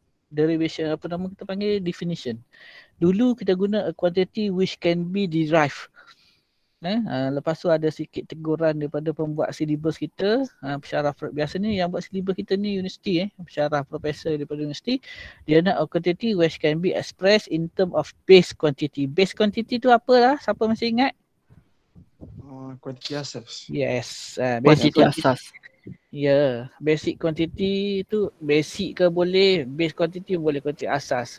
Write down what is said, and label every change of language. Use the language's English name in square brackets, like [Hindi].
[Malay] Derivation, apa nama kita panggil? Definition. Dulu kita guna [English] a quantity which can be derived. [Malay] Lepas tu ada sikit teguran daripada pembuat silibus kita. Pesyarah, biasanya yang buat silibus kita ni universiti. Pesyarah profesor daripada universiti. Dia nak [English] a quantity which can be expressed in term of base quantity. [Malay] Base quantity tu apalah? Siapa masih ingat? Quantity asas. [English] Yes. [Malay] Quantity asas. Ya, basic quantity tu basic ke boleh, base quantity boleh, quantity asas.